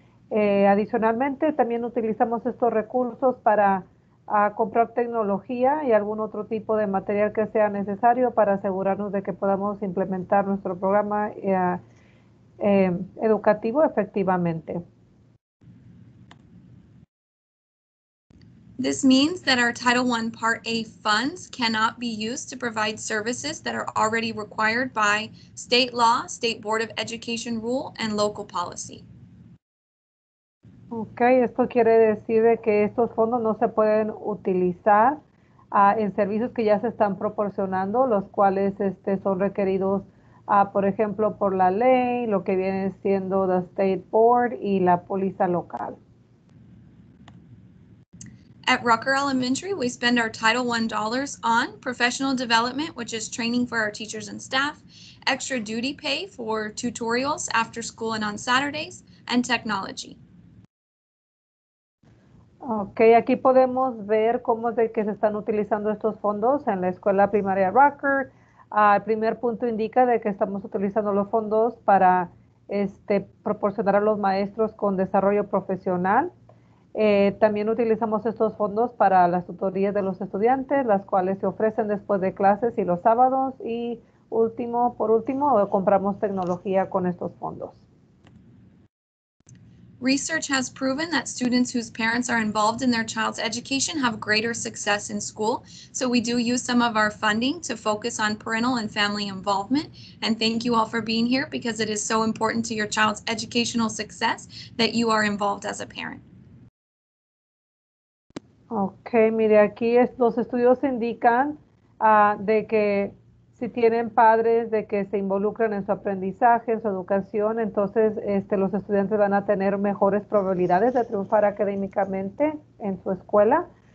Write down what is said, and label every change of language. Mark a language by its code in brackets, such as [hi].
[es] Adicionalmente, también utilizamos estos recursos para a comprar tecnología y algún otro tipo de material que sea necesario para asegurarnos de que podamos implementar nuestro programa educativo efectivamente. [en] This means that our Title I Part A funds cannot be used to provide services that are already required by state law, state board of education rule, and local policy. [es] Okay, esto quiere decir de que estos fondos no se pueden utilizar en servicios que ya se están proporcionando, los cuales son requeridos, por ejemplo, por la ley, lo que viene siendo the state board y la póliza local. [en] At Rucker Elementary, we spend our Title I dollars on professional development, which is training for our teachers and staff, extra duty pay for tutorials after school and on Saturdays, and technology. [es] Ok, aquí podemos ver cómo es de que se están utilizando estos fondos en la escuela primaria Rucker. El primer punto indica de que estamos utilizando los fondos para proporcionar a los maestros con desarrollo profesional. También utilizamos estos fondos para las tutorías de los estudiantes, las cuales se ofrecen después de clases y los sábados. Y último, por último, compramos tecnología con estos fondos. [en] Research has proven that students whose parents are involved in their child's education have greater success in school. So we do use some of our funding to focus on parental and family involvement. And thank you all for being here because it is so important to your child's educational success that you are involved as a parent. [es] Okay, mire, aquí los estudios indican de que si tienen padres de que se involucran en su aprendizaje, en su educación, entonces los estudiantes van a tener mejores probabilidades de triunfar académicamente en su escuela.